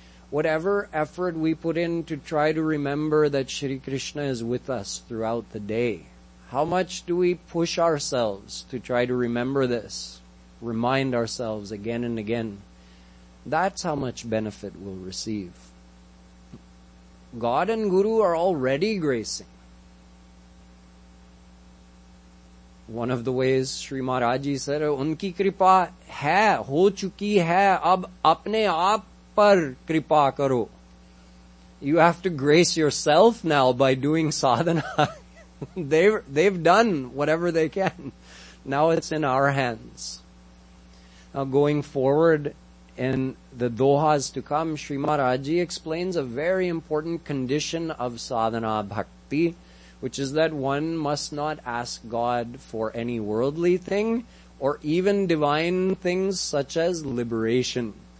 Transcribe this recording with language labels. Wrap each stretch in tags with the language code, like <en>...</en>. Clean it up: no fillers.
<en>Whatever effort we put in to try to remember that Shri Krishna is with us throughout the day, how much do we push ourselves to try to remember this, remind ourselves again and again, that's how much benefit we'll receive. God and Guru are already gracing. one of the ways</en> <hi>Shri Maharaj ji said, उनकी कृपा है, हो चुकी है, अब अपने आप पर कृपा करो.</hi> <en>You have to grace yourself now by doing sadhana. They've done whatever they can. Now it's in our hands. Now going forward in the dohas to come, Sri Maharaj Ji explains a very important condition of sadhana bhakti, which is that one must not ask God for any worldly thing or even divine things such as liberation.</en>